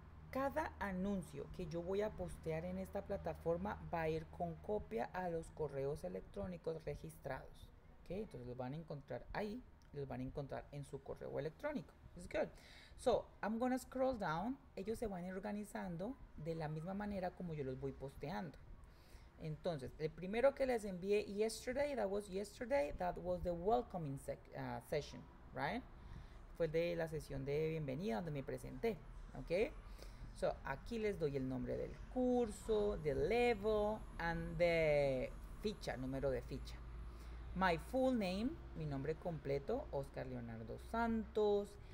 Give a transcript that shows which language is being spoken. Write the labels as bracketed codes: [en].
[es] Cada anuncio que yo voy a postear en esta plataforma va a ir con copia a los correos electrónicos registrados. ¿Ok? Entonces los van a encontrar ahí, los van a encontrar en su correo electrónico. [en] It's good. So, I'm gonna scroll down. [es] Ellos se van a ir organizando de la misma manera como yo los voy posteando. Entonces, el primero que les envié [en] yesterday, that was yesterday, that was the welcoming session, right? [es] Fue de la sesión de bienvenida donde me presenté, ¿ok? So, aquí les doy el nombre del curso, the level, and the ficha, número de ficha. [en] My full name, [es] mi nombre completo, [en] Oscar Leonardo Santos.